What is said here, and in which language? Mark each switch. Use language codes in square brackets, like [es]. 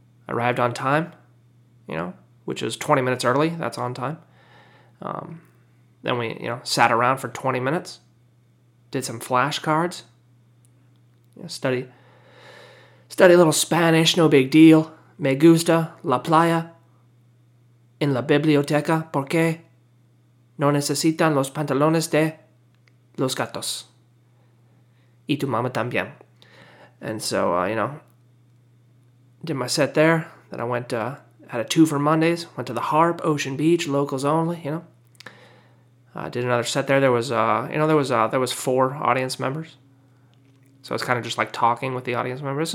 [en] Arrived on time, you know, which is 20 minutes early. That's on time. Then we, you know, sat around for 20 minutes, did some flashcards, you know, study a little Spanish, no big deal. [es] Me gusta la playa en la biblioteca porque no necesitan los pantalones de los gatos. Y tu mama también. [en] And so, you know, did my set there. Then I went, had a two for Mondays. Went to the Harp, Ocean Beach, locals only, you know. Did another set there. There was four audience members. So it's kind of just like talking with the audience members.